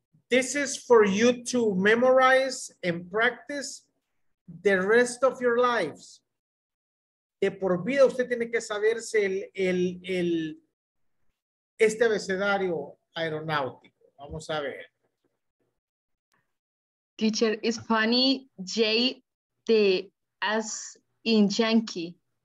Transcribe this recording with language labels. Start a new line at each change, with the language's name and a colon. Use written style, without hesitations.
English: This is for you to memorize and practice the rest of your lives.
Spanish: De por vida usted tiene que saberse este abecedario aeronáutico. Vamos a ver.
English: Teacher, it's funny, J, the as in Yankee.